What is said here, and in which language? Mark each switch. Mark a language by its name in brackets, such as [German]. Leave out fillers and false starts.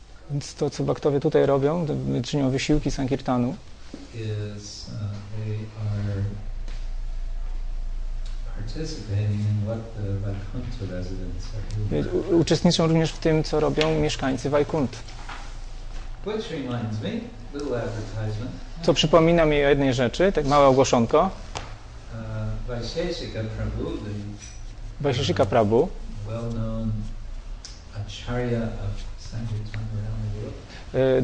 [Polish] Więc to, co bhaktowie tutaj robią, czynią wysiłki Sankirtanu. [English] is they are participating in what the Vaikuntha residents are doing. [Polish] Uczestniczą również w tym, co robią mieszkańcy Vaikunt. [English] Which reminds me, little advertisement. [Polish] To przypomina mi o jednej rzeczy, tak małe ogłoszonko. [English] Vaisheshika Prabhu, the Vaisheshika Prabhu, well-known acharya of Sankirtan around the world.